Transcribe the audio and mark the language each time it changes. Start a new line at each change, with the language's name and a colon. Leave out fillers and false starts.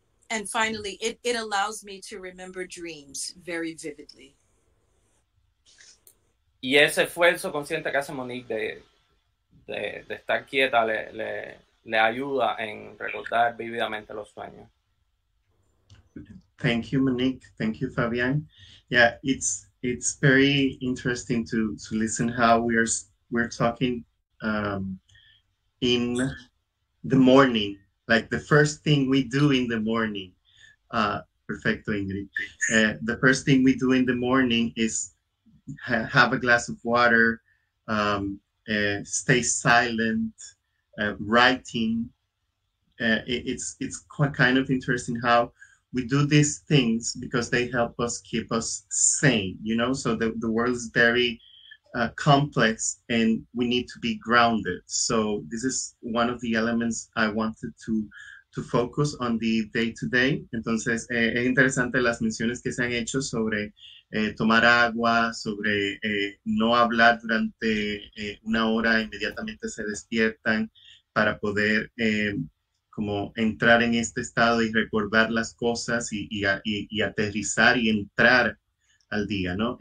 English: And finally, it allows me to remember dreams very vividly.
Spanish: Y ese esfuerzo consciente que hace Monique de estar quieta le ayuda en recordar vividamente los sueños.
English: Thank you, Monique. Thank you, Fabian. Yeah, it's very interesting to listen how we're talking in the morning, like the first thing we do in the morning. Perfecto, Ingrid. The first thing we do in the morning is have a glass of water, stay silent, writing. It's quite kind of interesting how we do these things because they help us keep us sane, you know? So the world is very complex and we need to be grounded. So this is one of the elements I wanted to focus on the day-to-day.
Spanish: Entonces, es interesante las menciones que se han hecho sobre tomar agua, sobre no hablar durante una hora, inmediatamente se despiertan para poder como entrar en este estado y recordar las cosas y aterrizar y entrar al día, ¿no?